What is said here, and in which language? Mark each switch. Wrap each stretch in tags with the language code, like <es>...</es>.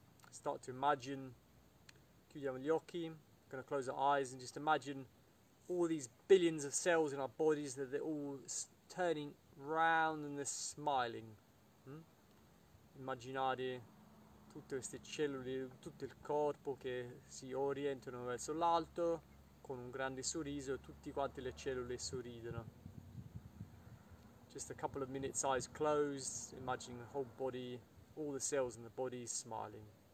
<en>Start to imagine,</en> <it>chiudiamo gli occhi,</it> <en>I'm going to close our eyes and just imagine all these billions of cells in our bodies that they're all turning round and they're smiling.</en> <it>Immaginate tutte queste cellule, tutto il corpo che si orientano verso l'alto con un grande sorriso e tutti quanti le cellule sorridono.</it> <en>Just a couple of minutes eyes closed, imagine the whole body, all the cells in the body smiling.</en>